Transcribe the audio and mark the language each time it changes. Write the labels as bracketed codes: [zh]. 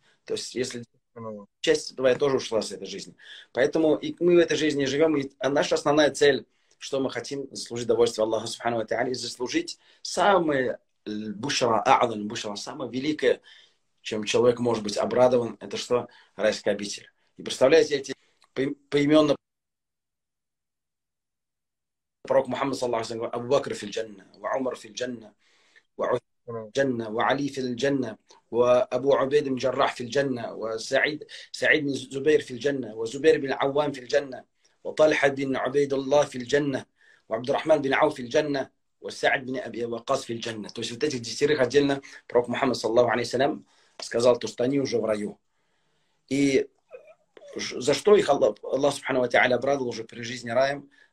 [ru] То есть если часть твоя тоже ушла с этой жизни. Поэтому и мы в этой жизни живем, и наша основная цель, что мы хотим, заслужить довольство Аллаха Субхану ва Тааля, и заслужить самое бушра, а'лан бушра, самое великое, чем человек может быть обрадован, это что? Райская обитель. И представляете, эти поименно пророк Мухаммад, [ar] саллаху алейхи ва саллям, Абу Бакр фил джанна, ва Умар фил джанна, ва Усман جنة وعلي في الجنة وأبو عبيد بن جراح في الجنة وسعيد سعيد بن زبير في الجنة وزبير بن عوام في الجنة وطلحة بن عبيد الله في الجنة وعبد الرحمن بن عوف في الجنة وسعد بن أبي وقاص في الجنة. [ru] То есть вот эти десятеро отдельно пророк Мухаммад саллаллаху алейхи ва саллям сказал, что они уже в раю. И за что их Аллах субхана ва тааля обрадовал уже при жизни раем?